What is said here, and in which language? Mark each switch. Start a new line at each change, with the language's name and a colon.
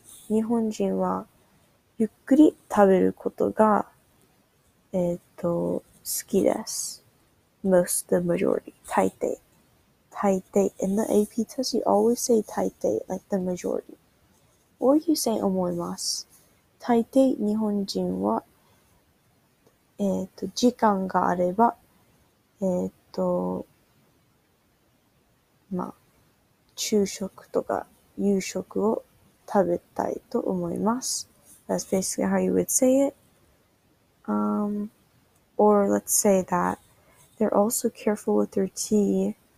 Japanese: 日本人はゆっくり食べることが、好きです。
English: Most, the majority, 大抵。大抵。 In the AP test, you always say 大抵、like the majority. Or you say 思います。
Japanese: 大抵日本人は、時間があれば、まあ、昼食とか夕食を食べたいと思います。
English: That's basically how you would say it. Or let's say that they're also careful with their tea.